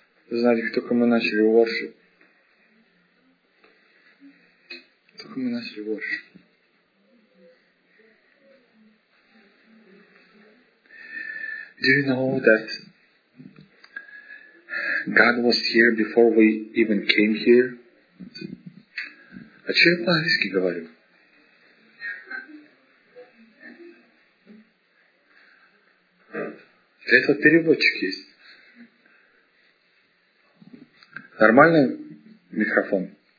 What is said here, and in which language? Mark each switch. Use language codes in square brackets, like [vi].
[ru] Знаете, только мы начали worship. Только мы начали worship. [en] Do you know that God was here before we even came here? [ru] А че я по-английски говорю? Это переводчик есть. Нормальный микрофон.